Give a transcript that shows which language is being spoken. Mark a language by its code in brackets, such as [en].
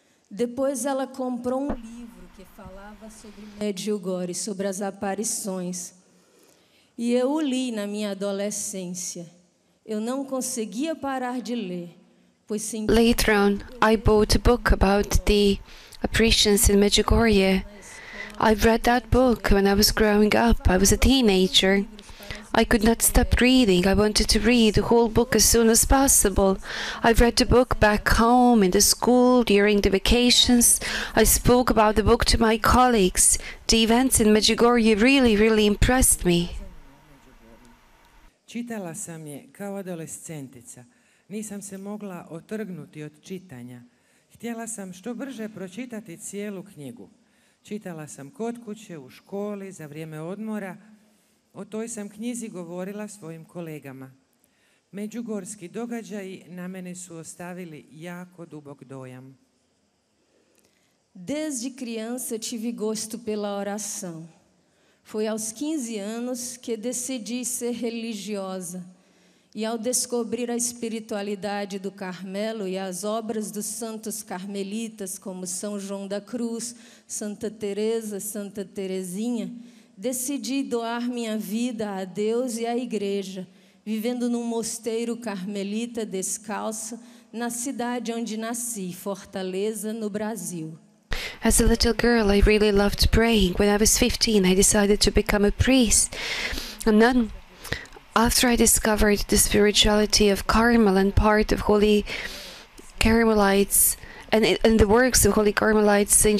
[pt] Depois ela comprou livro que falava sobre Medjugorje, sobre as aparições. E eu o li na minha adolescência. Eu não conseguia parar de ler, pois senti. [en] Later on, I bought a book about the apparitions in Medjugorje. I read that book when I was growing up. I was a teenager. I could not stop reading. I wanted to read the whole book as soon as possible. I read the book back home, in the school, during the vacations. I spoke about the book to my colleagues. The events in Medjugorje really, really impressed me. [hr] Čitala sam je kao adolescentica. Nisam se mogla otrgnuti od čitanja. Htjela sam što brže pročitati cijelu knjigu. Čitala sam kod kuće, u školi, za vrijeme odmora. O toj sam knjizi govorila svojim kolegama. Međugorski događaji na mene su ostavili jako dubok dojam. [pt] Desde criança tive gosto pela oração. Foi aos 15 anos que decidi ser religiosa. E ao descobrir a espiritualidade do Carmelo e as obras dos santos carmelitas, como São João da Cruz, Santa Teresa, Santa Teresinha, decidi doar minha vida a Deus e à Igreja, vivendo num mosteiro carmelita descalço na cidade onde nasci, Fortaleza, no Brasil. [en] As a little girl, I really loved praying. When I was 15, I decided to become a priest, a nun. After I discovered the spirituality of Carmel and part of Holy Carmelites and the works of Holy Carmelites, St.